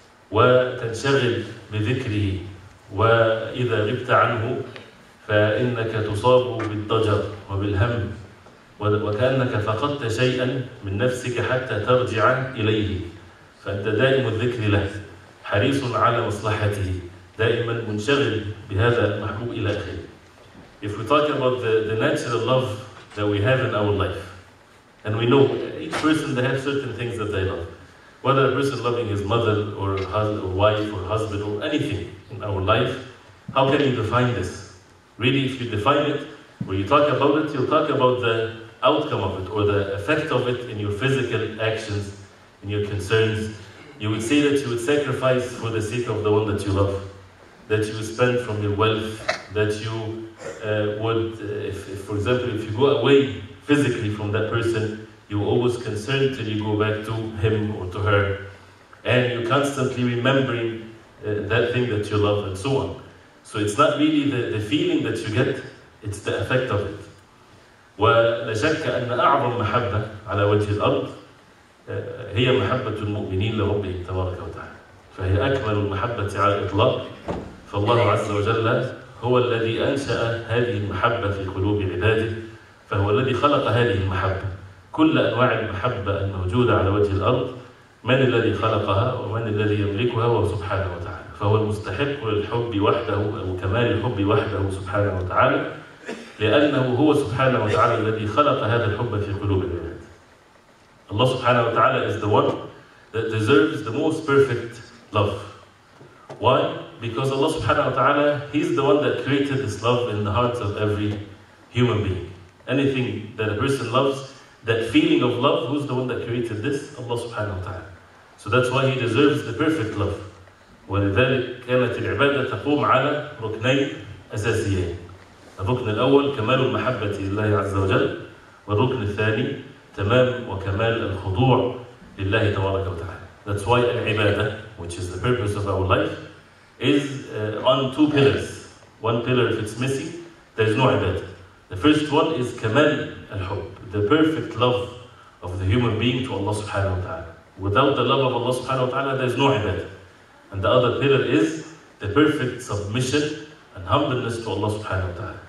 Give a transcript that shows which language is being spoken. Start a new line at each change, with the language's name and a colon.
Arabic: وتنشغل بذكره، وإذا غبت عنه فإنك تصاب بالضجر وبالهم وكأنك فقدت شيئا من نفسك حتى ترجع إليه، فأنت دائم الذكر له، حريص على مصلحته، دائما منشغل بهذا المحبوب إلى آخره.
English: If we talk about the natural love that we have in our life, and we know each person they have certain things that they love, whether a person loving his mother or wife or husband or anything in our life, how can you define this? Really, if you define it, when you talk about it, you'll talk about the outcome of it or the effect of it in your physical actions, in your concerns. You would say that you would sacrifice for the sake of the one that you love, that you would spend from your wealth, that you would, if for example, if you go away physically from that person, you always concern till you go back to him or to her, and you're constantly remembering that thing that you love and so on. So it's not really the feeling that you get, it's the effect of it.
Arabic: ولا شك أن أعظم محبة على وجه الأرض هي محبة المؤمنين لربهم تبارك وتعالى، فهي أكمل المحبة على الإطلاق. فالله عز وجل هو الذي أنشأ هذه المحبة في قلوب عباده، فهو الذي خلق هذه المحبة. كل أنواع المحبة الموجودة على وجه الأرض، من الذي خلقها ومن الذي يملكها؟ هو سبحانه وتعالى، فهو المستحق للحب وحده أو كمال الحب وحده سبحانه وتعالى. لأنه هو سبحانه وتعالى الذي خلق هذا الحب في قلوب البنات. الله سبحانه وتعالى
English: is the one that deserves the most perfect love. Why? Because Allah سبحانه وتعالى He's the one that created this love in the hearts of every human being. Anything that a person loves, that feeling of love, who's the one that created this?
Arabic: Allah سبحانه وتعالى.
English: So that's why He deserves the perfect love.
Arabic: ولذلك كانت العبادة تقوم على ركنين أساسيين. الركن الأول كمال المحبة لله عز وجل، والركن الثاني تمام وكمال الخضوع لله تبارك وتعالى.
English: That's why العبادة, which is the purpose of our life, is on two pillars. One pillar, if it's missing, there's no عبادة. The first one is
Arabic: كمال الحب,
English: the perfect love of the human being to Allah سبحانه وتعالى. Without the love of Allah سبحانه وتعالى, there's no عبادة. And the other pillar is the perfect submission and humbleness to Allah subhanahu wa ta'ala.